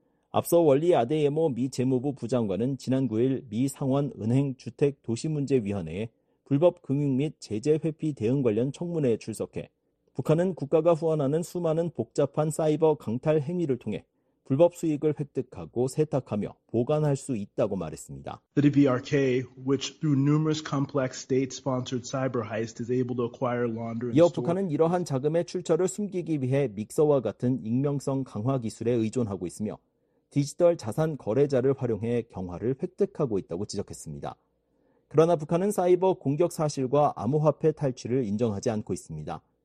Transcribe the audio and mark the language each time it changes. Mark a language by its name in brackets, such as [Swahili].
[Korean] 앞서 월리 아데예모 미 재무부 부장관은 지난 9일 미 상원 은행 주택 도시문제위원회에 불법 금융 및 제재 회피 대응 관련 청문회에 출석해 북한은 국가가 후원하는 수많은 복잡한 사이버 강탈 행위를 통해 불법 수익을 획득하고 세탁하며 보관할 수 있다고 말했습니다. [English] The DBRK, which through numerous complex state-sponsored cyber heist is able to acquire, launder, [Korean] 이어 북한은 이러한 자금의 출처를 숨기기 위해 믹서와 같은 익명성 강화 기술에 의존하고 있으며 디지털 자산 거래자를 활용해 경화를 획득하고 있다고 지적했습니다. 그러나 북한은 사이버 공격 사실과 암호화폐 탈취를 인정하지 않고 있습니다.